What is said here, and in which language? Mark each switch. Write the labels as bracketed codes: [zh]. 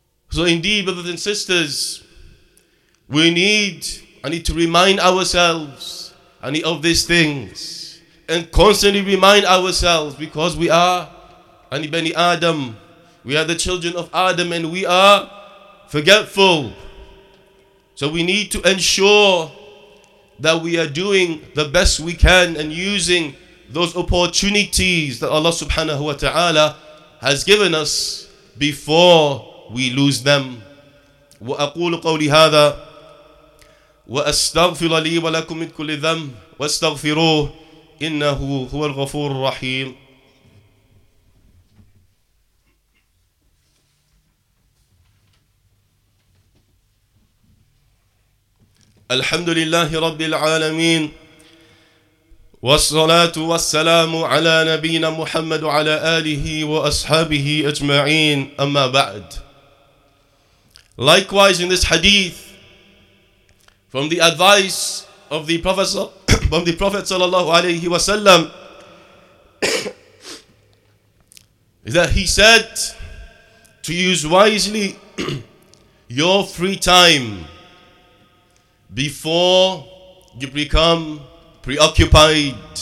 [en] So indeed, brothers and sisters, we need to remind ourselves of these things and constantly remind ourselves, because we are Bani Adam, we are the children of Adam, and we are forgetful. So we need to ensure that we are doing the best we can and using those opportunities that Allah subhanahu wa ta'ala has given us before we lose them. [ar] وَأَقُولُ قَوْلِ هَذَا وأستغفر لي ولكم من كل ذنب واستغفروه إنه هو الغفور الرحيم. الحمد لله رب العالمين والصلاة والسلام على نبينا محمد وعلى آله وأصحابه أجمعين أما بعد. [en] Likewise in this hadith, from the advice of the Prophet, from the Prophet sallallahu alayhi wa sallam, that he said to use wisely your free time before you become preoccupied.